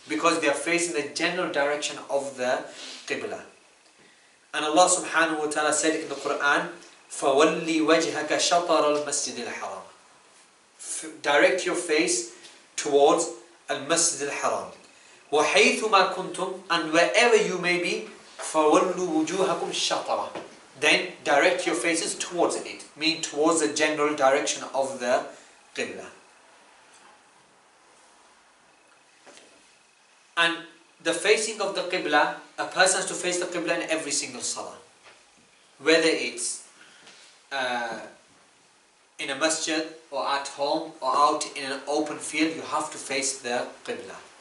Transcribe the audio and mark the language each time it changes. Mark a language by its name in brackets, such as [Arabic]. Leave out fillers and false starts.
[English] Because they are facing the general direction of the Qibla. And Allah subhanahu wa ta'ala said in the Quran, [Arabic] فَوَلِّي وَجْهَكَ شَطَرَ الْمَسْجِدِ الْحَرَامِ. [English] Direct your face towards Al-Masjid al-Haram. [Arabic] وَحَيْثُ مَا كُنْتُمْ. [English] And wherever you may be, [Arabic] فَوَلُّوا وُجُوهَكُمْ شَطَرًا. [English] then direct your faces towards it, meaning towards the general direction of the Qibla. And the facing of the Qibla, a person has to face the Qibla in every single salah. Whether it's in a masjid, or at home, or out in an open field, you have to face the Qibla.